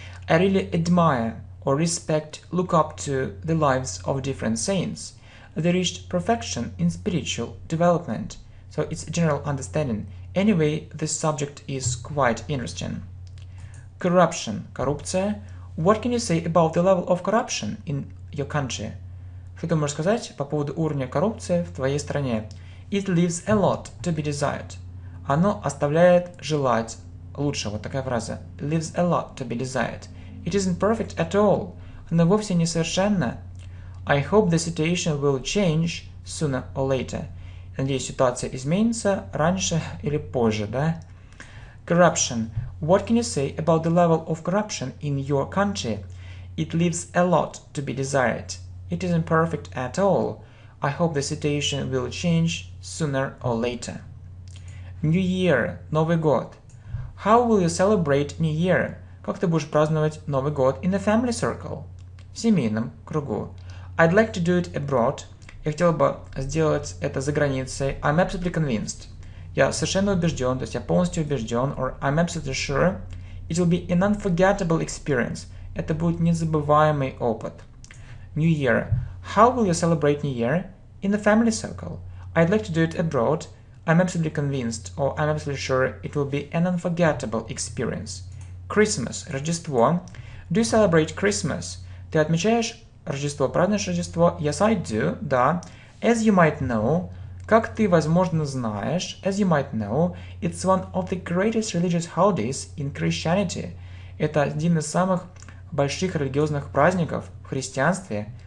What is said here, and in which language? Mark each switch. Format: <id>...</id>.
<en>I really admire or respect, look up to the lives of different saints. They reached perfection in spiritual development. So it's a general understanding. Anyway, this subject is quite interesting. Corruption.</en> <ru>Коррупция.</ru> <en>What can you say about the level of corruption in your country?</en> <ru>Что ты можешь сказать по поводу уровня коррупции в твоей стране?</ru> <en>It leaves a lot to be desired.</en> <ru>Оно оставляет желать лучшего. Вот такая фраза.</ru> <en>Leaves a lot to be desired. It isn't perfect at all.</en> <ru>Оно вовсе не совершенно.</ru> <en>I hope the situation will change sooner or later.</en> <ru>Надеюсь, ситуация изменится раньше или позже, да?</ru> <en>Corruption. What can you say about the level of corruption in your country? It leaves a lot to be desired. It isn't perfect at all. I hope the situation will change sooner or later. New Year.</en> <ru>Новый год.</ru> <en>How will you celebrate New Year?</en> <ru>Как ты будешь праздновать Новый год</ru> <en>in a family circle?</en> <ru>В семейном кругу.</ru> <en>I'd like to do it abroad.</en> <ru>Я хотел бы сделать это за границей.</ru> <en>I'm absolutely convinced.</en> <ru>Я совершенно убежден, то есть я полностью убежден.</ru> <en>Or I'm absolutely sure. It will be an unforgettable experience.</en> <ru>Это будет незабываемый опыт.</ru> <en>New Year. How will you celebrate New Year? In a family circle. I'd like to do it abroad. I'm absolutely convinced. Or I'm absolutely sure. It will be an unforgettable experience. Christmas,</en> <ru>Рождество.</ru> <en>Do you celebrate Christmas?</en> <ru>Ты отмечаешь Рождество, празднуешь Рождество?</ru> <en>Yes, I do,</en> <ru>да.</ru> <en>As you might know,</en> <ru>как ты, возможно, знаешь,</ru> <en>as you might know, it's one of the greatest religious holidays in Christianity.</en> <ru>Это один из самых больших религиозных праздников в христианстве.</ru>